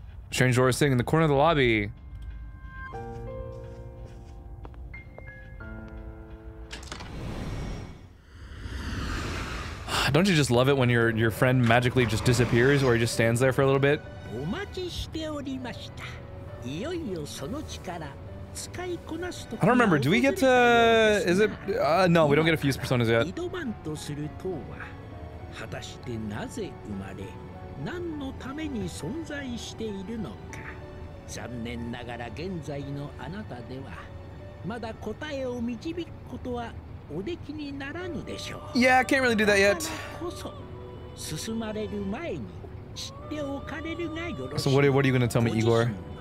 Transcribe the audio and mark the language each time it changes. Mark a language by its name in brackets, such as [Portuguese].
[English] Strange door is sitting in the corner of the lobby. Don't you just love it when your friend magically just disappears or he just stands there for a little bit? [Japanese] お待ちしておりました。いよいよその力使いこなすと。 [English] I don't remember. Do we get to? Is it? No, we don't get a fuse personas yet. [Japanese] 挑まんとする塔は果たしてなぜ生まれ、何のために存在しているのか。残念ながら現在のあなたではまだ答えを導くことは。 [English] Yeah, I can't really do that yet. So, what are you going to tell me, Igor?